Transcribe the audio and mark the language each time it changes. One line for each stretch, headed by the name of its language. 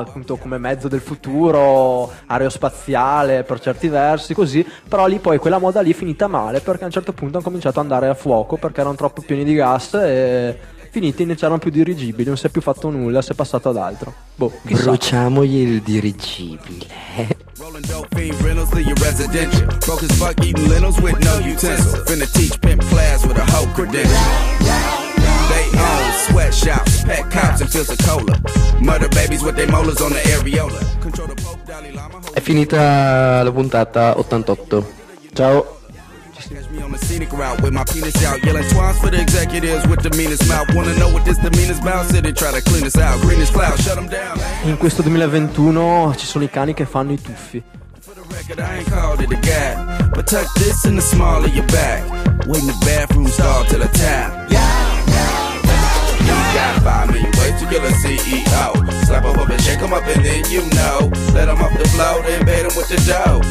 Italian: Appunto come mezzo del futuro, aerospaziale per certi versi, così. Però lì poi quella moda lì è finita male, perché a un certo punto hanno cominciato ad andare a fuoco perché erano troppo pieni di gas e finiti, ne c'erano più dirigibili, non si è più fatto nulla, si è passato ad altro. Boh, chissà. Bruciamogli il dirigibile.
English: Rolling dope fiend rentals in your residential. Broke as fuck eating lentils with no utensil. Finna teach pimp class with a hoe credential. They own sweatshops, pet cops and pills of cola. Murder babies with their molars on the areola. Control the Pope Dalai Lama.
Italian: È finita la puntata 88. Ciao.
English: Catch me on the scenic route with my penis out, yelling twice for the executives with the meanest mouth. Wanna know what this demeanor's about? Said they try to clean us out. Greenest cloud, shut them down.
Italian: In questo 2021 ci sono i cani che fanno i tuffi.
English: For the record, I ain't called it a guy, but tuck this in the small of your back. Wait in the bathroom stall till I tap. You got 5 million ways to kill a CEO. Slap him up and shake him up and then you know. Let him off the float and bait him with the dough.